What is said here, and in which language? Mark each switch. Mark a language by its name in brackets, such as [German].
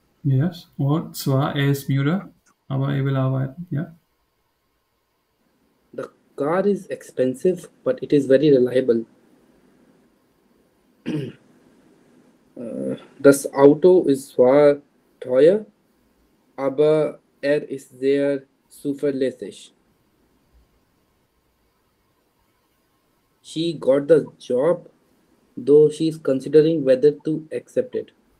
[German] Yes, or zwar ist müde, aber will arbeiten. Yeah. [English] The car is expensive, but it is very reliable. [German] Das Auto ist zwar teuer, aber ist sehr zuverlässig. [English] She got the job, though she is considering whether to accept it.